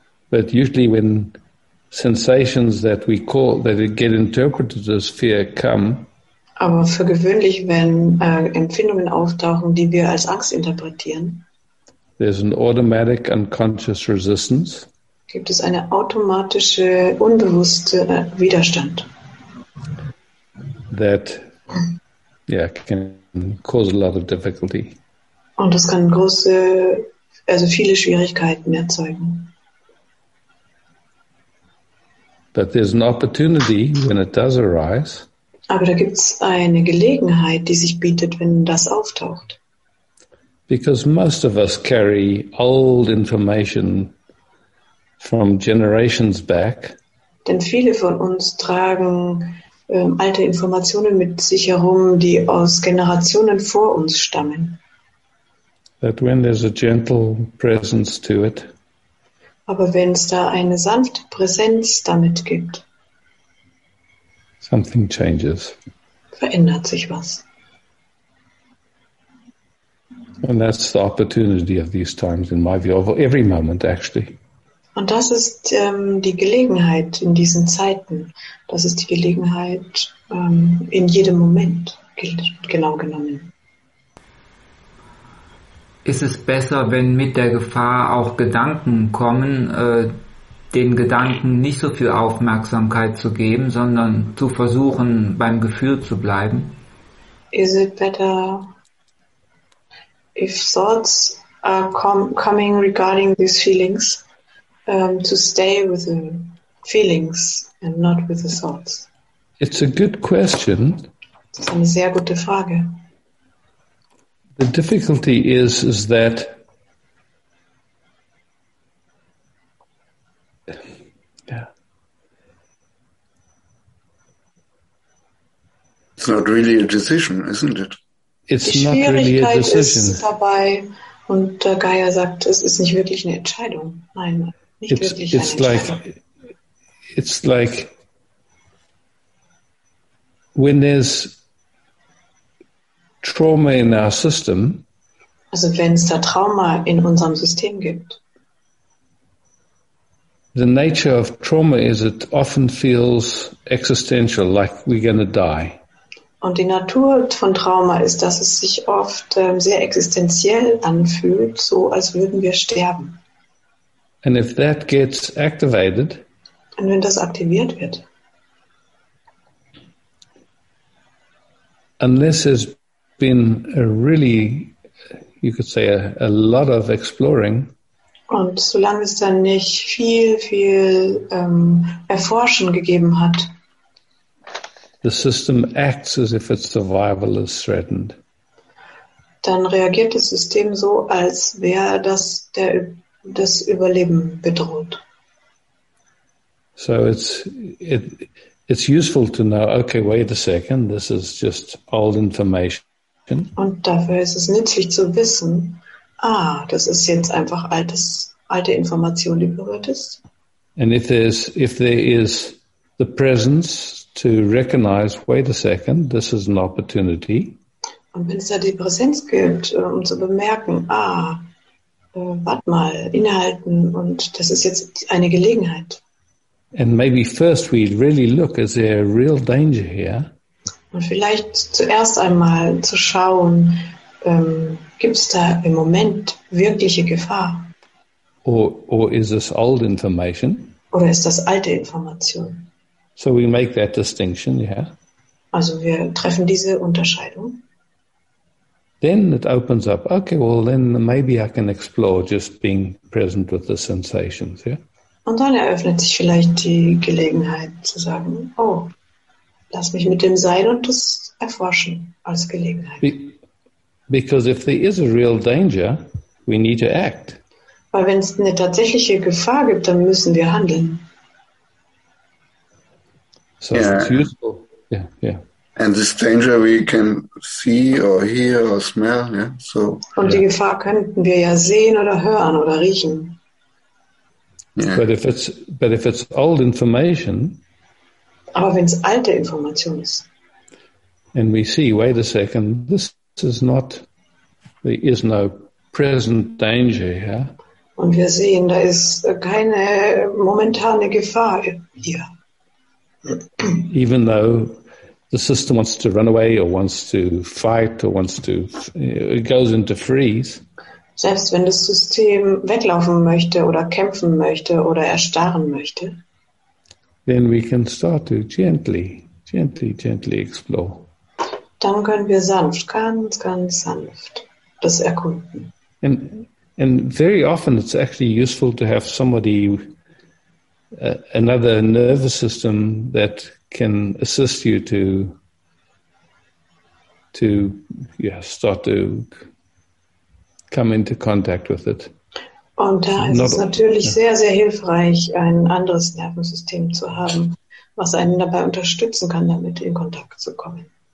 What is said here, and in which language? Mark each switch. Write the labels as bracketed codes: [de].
[en] But usually when sensations that we call, that get interpreted as fear come, [de] aber für gewöhnlich, wenn Empfindungen auftauchen, die wir als Angst interpretieren, [en] there's an automatic unconscious resistance, [de] gibt es eine automatische, unbewusste Widerstand, [en] that can cause a lot of difficulty. [de] Und das kann große, also viele Schwierigkeiten erzeugen. [en] But there's an opportunity when it does arise. [de] Aber da gibt es eine Gelegenheit, die sich bietet, wenn das auftaucht. [en] Because most of us carry old information from generations back. [de] Denn viele von uns tragen alte Informationen mit sich herum, die aus Generationen vor uns stammen. [en] That when there's a gentle presence to it. [de] Aber wenn es da eine sanfte Präsenz damit gibt. [en] Something changes. [de] Verändert sich was. [en] And that's the opportunity of these times, in my view, of every moment actually. [de] Und das ist die Gelegenheit in diesen Zeiten. Das ist die Gelegenheit in jedem Moment, genau genommen. Ist es besser, wenn mit der Gefahr auch Gedanken kommen, den Gedanken nicht so viel Aufmerksamkeit zu geben, sondern zu versuchen, beim Gefühl zu bleiben? [en] Is it better if thoughts are coming regarding these feelings, to stay with the feelings and not with the thoughts? It's a good question. [de] Das ist eine sehr gute Frage. [en] The difficulty is that it's not really a decision, isn't it? It's not really a decision. [de] Ist dabei, und der Geier sagt, es ist nicht wirklich eine Entscheidung. Nein, nicht wirklich eine Entscheidung. [en] It's like when there's trauma in our system. [de] Also wenn es da Trauma in unserem System gibt. [en] The nature of trauma is it often feels existential, like we're going to die. [de] Und die Natur von Trauma ist, dass es sich oft sehr existenziell anfühlt, so als würden wir sterben. [en] And if that gets activated, [de] und wenn das aktiviert wird, [en] unless there's been a really, you could say, a lot of exploring, [de] und solange es dann nicht viel Erforschen gegeben hat, [en] the system acts as if its survival is threatened. [de] Dann reagiert das System so, als wäre das Überleben bedroht. [en] So it's useful to know, okay, wait a second, this is just old information. [de] Und dafür ist es nützlich zu wissen, das ist jetzt einfach alte Information, die berührt ist. [en] And if there is the presence to recognize, wait a second, this is an opportunity. [de] Und wenn es da die Präsenz gibt, um zu bemerken, warte mal, innehalten, und das ist jetzt eine Gelegenheit. [en] And maybe first we really look, is there a real danger here? [de] Und vielleicht zuerst einmal zu schauen, gibt es da im Moment wirkliche Gefahr? [en] Or is this old information? [de] Oder ist das alte Information? [en] So we make that distinction, yeah. [de] Also wir treffen diese Unterscheidung. [en] Then it opens up. Okay, well then maybe I can explore just being present with the sensations, yeah. [de] Und dann eröffnet sich vielleicht die Gelegenheit zu sagen, oh, lass mich mit dem sein und das erforschen als Gelegenheit. [en] Because if there is a real danger, we need to act. [de] Weil wenn es eine tatsächliche Gefahr gibt, dann müssen wir handeln. [en] So yeah. It's useful. Yeah, yeah. And this danger we can see or hear or smell, yeah. So. [de] Und die Gefahr könnten wir ja sehen oder hören oder riechen. [en] Yeah. But if it's old information. [de] Aber wenn es alte Information ist. [en] And we see, wait a second, this is not, there is no present danger, yeah. [de] Und wir sehen, da ist keine momentane Gefahr hier. [en] Even though the system wants to run away or wants to fight or wants to, it goes into freeze. [de] Selbst wenn das System weglaufen möchte oder kämpfen möchte oder erstarren möchte, [en] then we can start to gently explore. [de] Dann können wir sanft, ganz, ganz sanft das erkunden. [en] And very often it's actually useful to have somebody, another nervous system that can assist you to start to come into contact with it. [de] Und da ist es natürlich sehr, sehr hilfreich, ein anderes Nervensystem zu haben, was einen dabei unterstützen kann, damit in Kontakt zu kommen.